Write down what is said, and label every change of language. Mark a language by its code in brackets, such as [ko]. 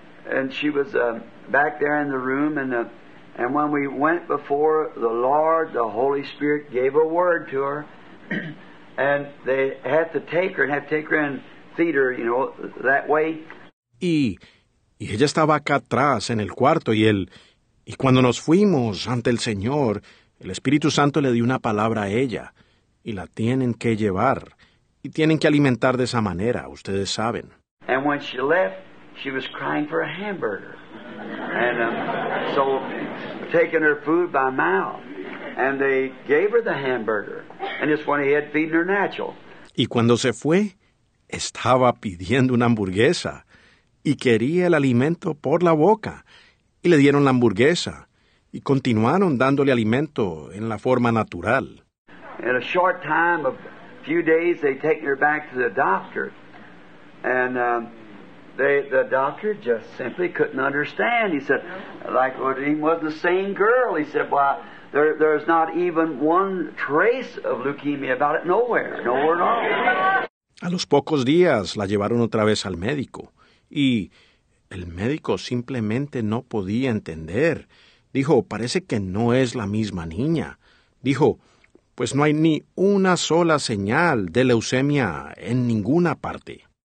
[en] And she was back there in the room, and when we went before the Lord, the Holy Spirit gave a word to her, and they had to take her and have to take her and feed her, you know, that way. [es] Y ella estaba acá atrás en el cuarto, y cuando nos fuimos ante el Señor, el Espíritu Santo le dio una palabra a ella, y la tienen que llevar, y tienen que alimentar de esa manera, ustedes saben. [en] And when she left, she was crying for a hamburger, and so taking her food by mouth, and they gave her the hamburger, and just went ahead feeding her natural. [es] Y cuando se fue, estaba pidiendo una hamburguesa, y quería el alimento por la boca, y le dieron la hamburguesa, y continuaron dándole alimento en la forma natural. [en] In a short time of a few days, they take her back to the doctor, and the doctor just simply couldn't understand. He said, like, well, he wasn't the same girl. He said, well, there's not even one trace of leukemia about it nowhere, nowhere at all. [es] A los pocos días la llevaron otra vez al médico, y el médico simplemente no podía entender. Dijo, parece que no es la misma niña. Dijo, pues no hay ni una sola señal de leucemia en ninguna parte.